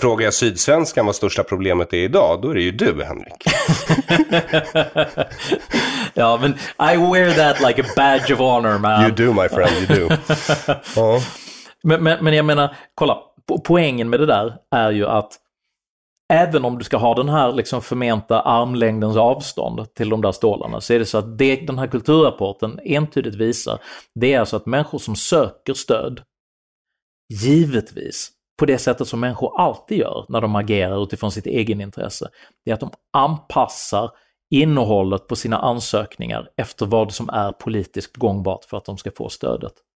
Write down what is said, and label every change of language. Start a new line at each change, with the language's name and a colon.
Swedish: Så frågar jag Sydsvenskan vad största problemet är idag, då är det ju du, Henrik. Ja, men
English: I wear that like a badge of honor, man. You do, my friend, you do.
Swedish: Men jag menar, kolla, poängen med det där är ju att även om du ska ha den här liksom förmenta armlängdens avstånd till de där stålarna, så är det så att det, den här kulturrapporten entydigt visar, det är alltså att människor som söker stöd, givetvis på det sättet som människor alltid gör när de agerar utifrån sitt egen intresse, det är att de anpassar innehållet på sina ansökningar efter vad som är politiskt gångbart för att de ska få stödet.